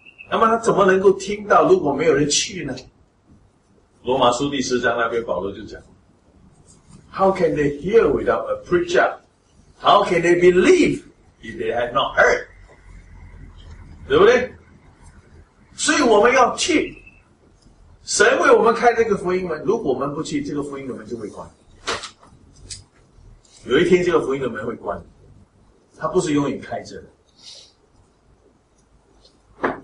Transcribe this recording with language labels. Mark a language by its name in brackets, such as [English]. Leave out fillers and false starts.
[Chinese] 那么他怎么能够听到如果没有人去呢？罗马书第十章那边保罗就讲， [English] How can they hear without a preacher? How can they believe if they have not heard? [Chinese] 对不对？所以我们要去，神为我们开这个福音门，如果我们不去，这个福音的门就会关。有一天这个福音的门会关，它不是永远开着的。